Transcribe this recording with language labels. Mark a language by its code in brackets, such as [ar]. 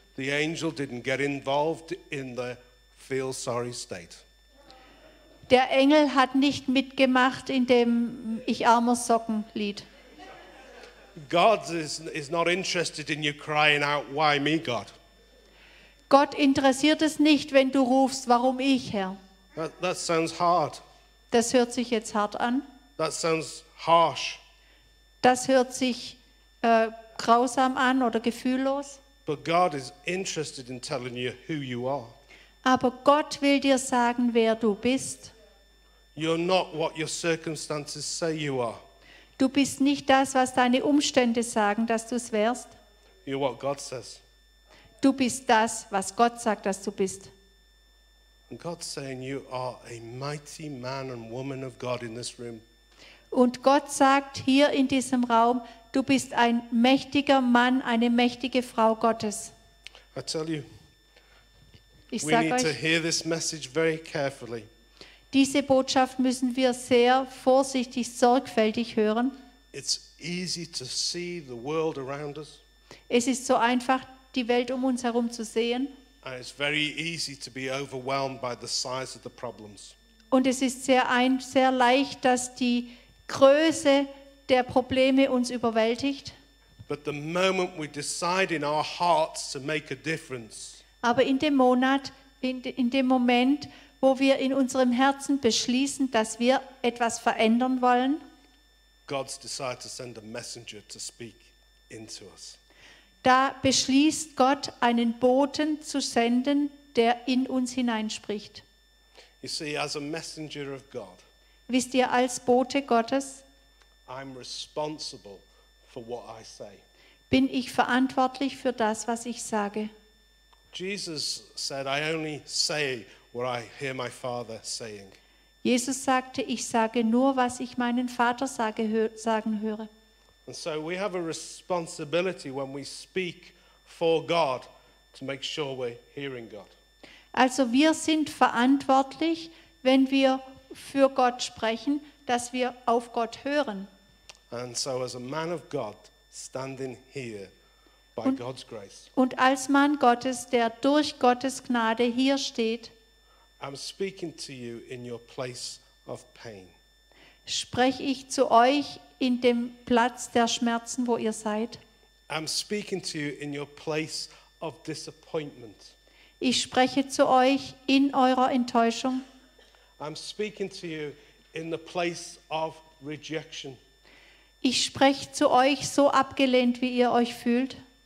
[en] The angel didn't get involved in the feel sorry state. [de] Der Engel hat nicht mitgemacht in dem ich armer Socken Lied. [en] God is not interested in you crying out, why me, God? [de] Gott interessiert es nicht, wenn du rufst, warum ich, Herr? [en] That sounds hard. [de] Das hört sich jetzt hart an. [en] That sounds harsh. [de] Das hört sich grausam an oder gefühllos. [en] But God is interested in telling you who you are. [de] Aber Gott will dir sagen, wer du bist. [en] You're not what your circumstances say you are. [de] Du bist nicht das, was deine Umstände sagen, dass du es wärst. [en] You're what God says. [de] Du bist das, was Gott sagt, dass du bist. [en] And God's saying you are a mighty man and woman of God in this room. [de] Und Gott sagt hier in diesem Raum, du bist ein mächtiger Mann, eine mächtige Frau Gottes. [en] I tell you, [de] ich sag [en] we need [de] euch, [en] to hear this message very carefully. [de] Diese Botschaft müssen wir sehr vorsichtig, sorgfältig hören. [en] It's easy to see the world around us. [de] Es ist so einfach, die Welt um uns herum zu sehen. [en] And it's very easy to be overwhelmed by the size of the problems. [de] Und es ist sehr leicht, dass die Größe der Probleme uns überwältigt. [en] But the moment we decide in our hearts to make a difference. [de] Aber in dem Moment, wo wir in unserem Herzen beschließen, dass wir etwas verändern wollen. [en] God's decided to send a messenger to speak into us. [de] Da beschließt Gott, einen Boten zu senden, der in uns hineinspricht. [en] You see, as a messenger of God, [de] wisst ihr, als Bote Gottes, [en] I'm responsible for what I say. [de] Bin ich verantwortlich für das, was ich sage. [en] Jesus said, I only say what I hear my Father saying. [de] Jesus sagte, ich sage nur, was ich meinen Vater sagen höre. [en] And so we have a responsibility when we speak for God to make sure we're hearing God. [de] Also wir sind verantwortlich, wenn wir für Gott sprechen, dass wir auf Gott hören. [en] And so as a man of God standing here by God's grace. [de] Und als Mann Gottes, der durch Gottes Gnade hier steht, [en] I'm speaking to you in your place of pain. [de] Spreche ich zu euch in dem Platz der Schmerzen, wo ihr seid. [en] I'm speaking to you in your place of disappointment. [de] Ich spreche zu euch in eurer Enttäuschung. [en] I'm speaking to you in the place of rejection. [de] Ich spreche zu euch so abgelehnt, wie ihr euch fühlt.